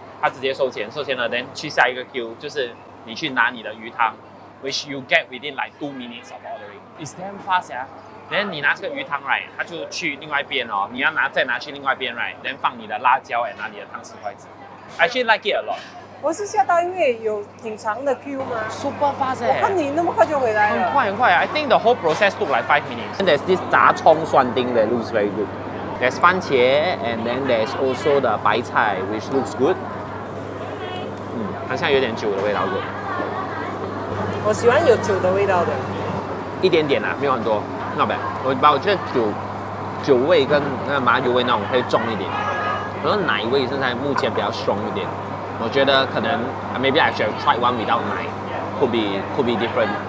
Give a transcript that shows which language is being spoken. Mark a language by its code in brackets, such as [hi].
[zh] 他直接收钱了 [en] ，then 去下一个 queue， [zh] 就是你去拿你的鱼汤 [en] ，which you get within like 2 minutes of ordering， it's damn fast 呀、啊。 [zh] then 你拿这个鱼汤 right， 他就去另外一边哦，你要再拿去另外一边 right， then 放你的辣椒 and 拿你的汤匙筷子。 [en] Actually like it a lot。 [zh] 我是吓到，因为有挺长的 queue 吗 [en] ？Super fast 哎、 [zh] 欸！我看你那么快就回来了。很快。 [en] I think the whole process took like 5 minutes。 And there's this 炸葱蒜丁 that looks very good。 There's 番茄 and then there's also the 白菜 which looks good。 [zh] 好像有点酒的味道，我喜欢有酒的味道的，一点点啊，没有很多，那不，我把我觉得酒味跟那麻油味那种会重一点，可是奶味是在目前比较strong一点。我觉得可能 [en] maybe I should try one without 奶 could be different。